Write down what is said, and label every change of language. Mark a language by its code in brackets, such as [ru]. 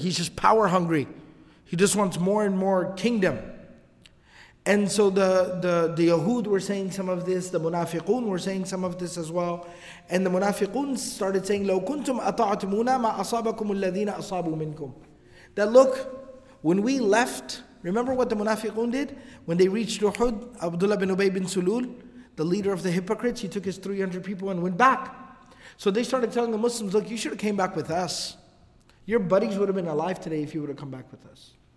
[en] He's just power hungry. He just wants more and more kingdom. And so the Yahud were saying some of this. The Munafiqun were saying some of this as well. And the Munafiqun started saying, [ar] لَوْ كُنْتُمْ أَطَعْتُمُونَ مَا أَصَابَكُمُ الَّذِينَ أَصَابُوا مِنْكُمْ. [en] That look, when we left, remember what the Munafiqun did? When they reached Uhud, Abdullah bin Ubay bin Sulul, the leader of the hypocrites, he took his 300 people and went back. So they started telling the Muslims, look, you should have came back with us. Your buddies would have been alive today if you would have come back with us.